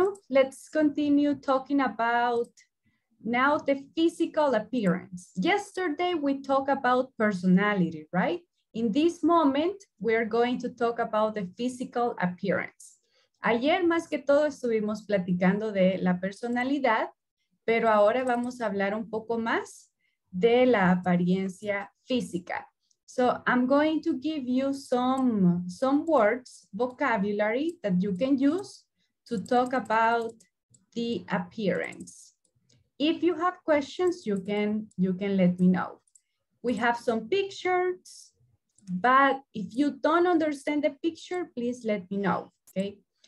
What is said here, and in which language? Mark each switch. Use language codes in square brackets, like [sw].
[en] Let's continue talking about now the physical appearance. Yesterday, we talked about personality, right? In this moment, we're going to talk about the physical appearance. [es] Ayer, más que todo, estuvimos platicando de la personalidad, pero ahora vamos a hablar un poco más de la apariencia física. [en] So I'm going to give you some words, vocabulary that you can use to talk about the appearance. If you have questions, you can let me know. We have some pictures, but if you don't understand the picture, please let me know, okay?